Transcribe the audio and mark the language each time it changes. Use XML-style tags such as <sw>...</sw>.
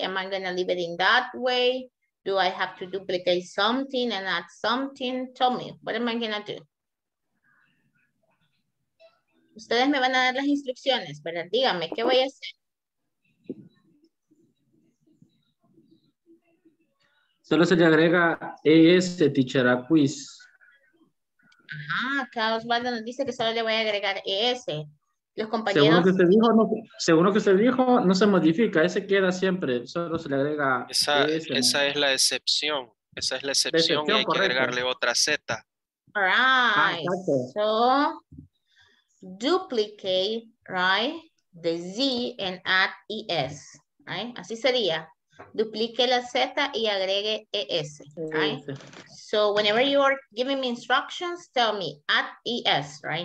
<en>Am I gonna leave it in that way? Do I have to duplicate something and add something? Tell me, what am I gonna do?</en> <es>Ustedes me van a dar las instrucciones, pero díganme, ¿qué voy a hacer? Solo se le agrega ES, teacher, a quiz. Ajá, Carlos Waldo nos dice que solo le voy a agregar ES. Los compañeros... Según lo que usted dijo, no, según lo que usted dijo, no se modifica, ese queda siempre, solo se le agrega esa, ES. Esa es la excepción, esa es la excepción, y hay correcto. Que agregarle otra Z.</es> <en>All right, so... Duplicate, right, the Z and add ES, right?</en> <es>Así sería. Duplique la Z y agregue ES, right?</es> <en>So whenever you are giving me instructions, tell me add ES, right?</en>